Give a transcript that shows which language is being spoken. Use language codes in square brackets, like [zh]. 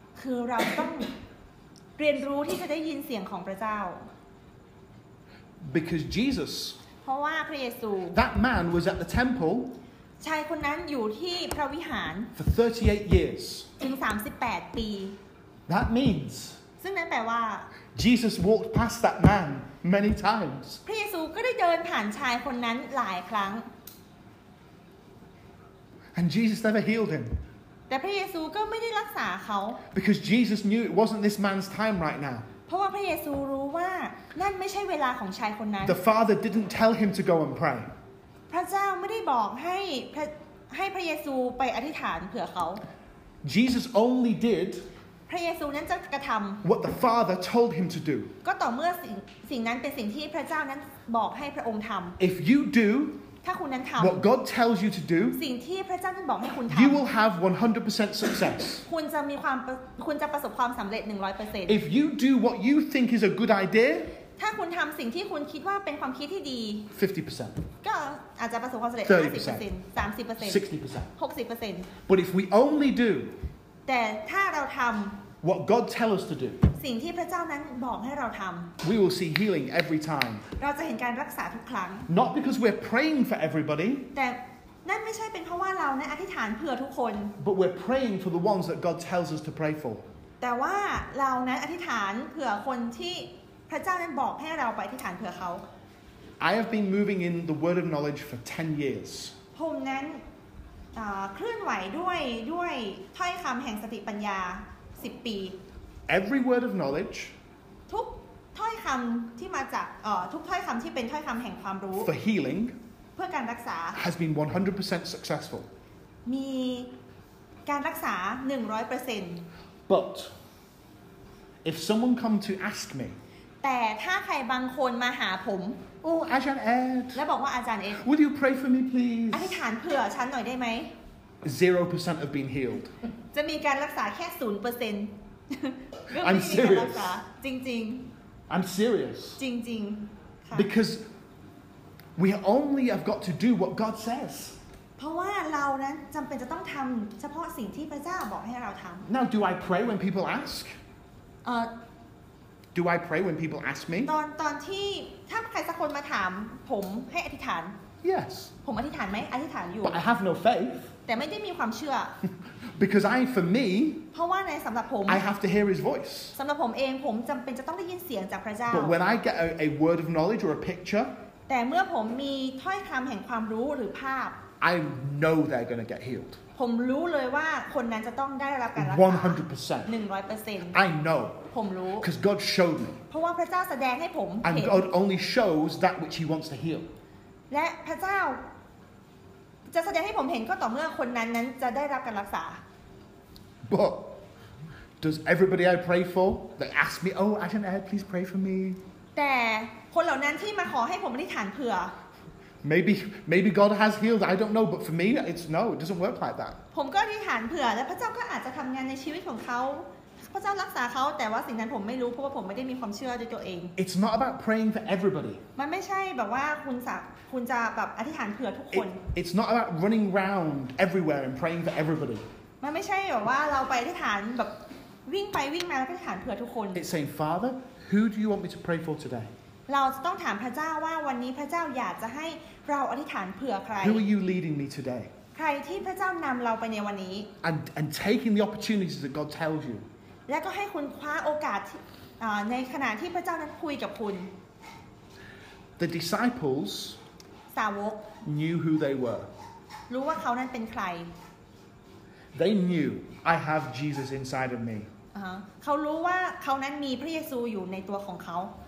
[th] คือเราต้องเรียนรู้ที่จะได้ยินเสียงของพระเจ้า [en] Because Jesus, [th] เพราะว่าพระเยซู [en] that man was at the temple. [th] ชายคนนั้นอยู่ที่พระวิหาร [en] for 38 years [th] ถึง38ปี [en] that means [th] ซึ่งนั้นแปลว่า [en] Jesus walked past that man many times [th] พระเยซูก็ได้เดินผ่านชายคนนั้นหลายครั้ง [en] and Jesus never healed him [th] แต่พระเยซูก็ไม่ได้รักษาเขา [en] because Jesus knew it wasn't this man's time right now [th] เพราะว่าพระเยซูรู้ว่านั่นไม่ใช่เวลาของชายคนนั้น [en] the father didn't tell him to go and pray [th] พระเจ้าไม่ได้บอกให้พระเยซูไปอธิษฐานเผื่อเขา [en] Jesus only did [th] พระเยซูนั้นจะกระทำ [en] what the Father told him to do [th] ก็ต่อเมื่อสิ่งนั้นเป็นสิ่งที่พระเจ้านั้นบอกให้พระองค์ทำ [en] If you do [th] ถ้าคุณนั้นทำ [en] what God tells you to do [th] สิ่งที่พระเจ้านั้นบอกให้คุณทำ [en] you will have 100% success [th] คุณจะมีความคุณจะประสบความสำเร็จ 100% [en] If you do what you think is a good idea [th] ถ้าคุณทำสิ่งที่คุณคิดว่าเป็นความคิดที่ดี 50% ก็อาจจะประสบความสำเร็จ 50% 30% 60% 60% [en] But if we only do [th] แต่ถ้าเราทำ [en] What God tells us to do [th] สิ่งที่พระเจ้านั้นบอกให้เราทำ [en] We will see healing every time [th] เราจะเห็นการรักษาทุกครั้ง [en] Not because we're praying for everybody [th] แต่นั่นไม่ใช่เป็นเพราะว่าเรานั้นอธิษฐานเพื่อทุกคน [en] But we're praying for the ones that God tells us to pray for [th] แต่ว่าเรานั้นอธิษฐานเผื่อคนที่พระเจ้านั้นบอกให้เราไปอธิษฐานเผื่อเขา [en] I have been moving in the word of knowledge for 10 years [th] ผมนั้นเคลื่อนไหวด้วยถ้อยคำแห่งสติปัญญา10ปี [en] Every word of knowledge [th] ทุกถ้อยคำที่มาจากทุกถ้อยคำที่เป็นถ้อยคำแห่งความรู้ [en] For healing [th] พื่อการรักษา [en] has been 100% successful [th] มีการรักษา 100% [en] but if someone come to ask me [th] แต่ถ้าใครบางคนมาหาผม โอ้อาจารย์เอ็ดแล้วบอกว่าอาจารย์เอ็ด [en] would you pray for me please [th] อธิษฐานเผื่อฉันหน่อยได้ไหม [en] 0% have been healed [th] จะมีการรักษาแค่ 0% [en] I'm serious [th] จริง [en] ๆ I'm serious [th] จริง [en] ๆ becauseWe only have got to do what God says. [th] เพราะว่าเรานั้นจำเป็นจะต้องทำเฉพาะสิ่งที่พระเจ้าบอกให้เราทำ [en] Now, do I pray when people ask? Do I pray when people ask me? [th] ตอนที่ถ้าใครสักคนมาถามผมให้อธิษฐาน [en] Yes. [th] ผมอธิษฐานไหมอธิษฐานอยู่ [en] But I have no faith. [th] แต่ไม่ได้มีความเชื่อ [en] Because I, for me, [th] เพราะว่าในสำหรับผม [en] I have to hear His voice. [th] สำหรับผมเองผมจำเป็นจะต้องได้ยินเสียงจากพระเจ้า [en] But when I get a word of knowledge or a picture. [th] แต่เมื่อผมมีถ้อยคำแห่งความรู้หรือภาพ [en] I know they're going to get healed [th] ผมรู้เลยว่าคนนั้นจะต้องได้รับการรักษา 100% 100% [en] I know [th] ผมรู้ [en] Because God showed me [th] เพราะว่าพระเจ้าแสดงให้ผม [en] And God only shows that which he wants to heal [th] และพระเจ้าจะแสดงให้ผมเห็นก็ต่อเมื่อคนนั้นจะได้รับการรักษา [en] But does everybody I pray for that ask me oh Ajahn Ed please pray for me [th] แต่คนเหล่านั้นที่มาขอให้ผมอธิษฐานเผื่อ [en] maybe God has healed I don't know but for me it's no it doesn't work like that [th] ผมก็อธิษฐานเผื่อและพระเจ้าก็อาจจะทำงานในชีวิตของเขาพระเจ้ารักษาเขาแต่ว่าสิ่งนั้นผมไม่รู้เพราะว่าผมไม่ได้มีความเชื่อด้วยตัวเอง [en] it's not about praying for everybody [th] มันไม่ใช่แบบว่าคุณจะแบบอธิษฐานเผื่อทุกคน [en] it's not about running round everywhere and praying for everybody [th] มันไม่ใช่แบบว่าเราไปอธิษฐานแบบวิ่งไปวิ่งมาแล้วอธิษฐานเผื่อทุกคน [en] it's saying Father who do you want me to pray for today [th] เราจะต้องถามพระเจ้าว่าวันนี้พระเจ้าอยากจะให้เราอธิษฐานเผื่อใคร [en] Who are you leading me today? [th] ใครที่พระเจ้านำเราไปในวันนี้ [en] And taking the opportunities that God tells you [th] และก็ให้คุณคว้าโอกาสในขณะที่พระเจ้านั้นคุยกับคุณ [en] The disciples [th] สาวก [en] knew who they were [th] รู้ว่าเขานั้นเป็นใคร [en] They knew I have Jesus inside of me [th] เขารู้ว่าเขานั้นมีพระเยซูอยู่ในตัวของเขา